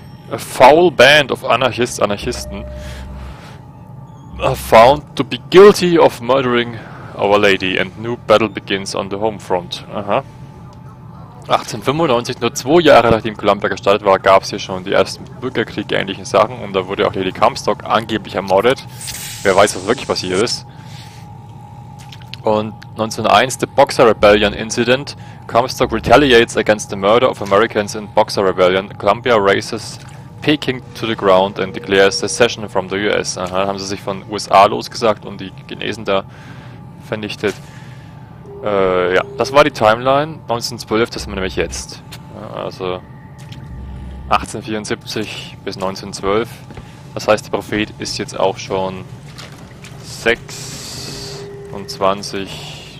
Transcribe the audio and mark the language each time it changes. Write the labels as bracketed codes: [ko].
[en] A foul band of Anarchisten are found to be guilty of murdering our lady and new battle begins on the home front. [de] Aha. 1895, nur 2 Jahre nachdem Columbia gestartet war, gab es hier schon die ersten Bürgerkrieg-ähnlichen Sachen und da wurde auch Lady Comstock angeblich ermordet. Wer weiß, was wirklich passiert ist. Und 1901, [en] the Boxer Rebellion Incident. Comstock retaliates against the murder of Americans in Boxer Rebellion. Columbia races Peking to the ground and declares secession from the US. [de] Aha, dann haben sie sich von USA losgesagt und die Chinesen da vernichtet. Ja, das war die Timeline. 1912, das sind wir nämlich jetzt. Also 1874 bis 1912. Das heißt, der Prophet ist jetzt auch schon 26.